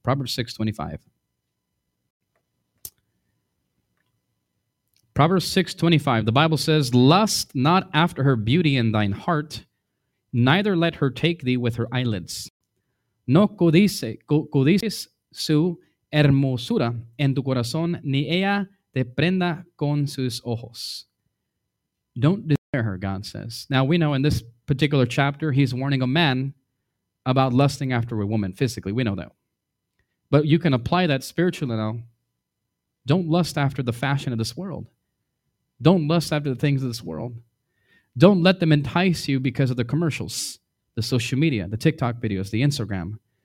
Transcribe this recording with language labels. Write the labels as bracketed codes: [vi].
[en] Proverbs 6, 25. Proverbs 6, 25. The Bible says, lust not after her beauty in thine heart, neither let her take thee with her eyelids. [es] No codices su hermosura en tu corazón, ni ella te prenda con sus ojos. [en] Don't desire her, God says. Now, we know in this particular chapter, he's warning a man about lusting after a woman physically. We know that. But you can apply that spiritually now. Don't lust after the fashion of this world. Don't lust after the things of this world. Don't let them entice you because of the commercials, the social media, the TikTok videos, the Instagram.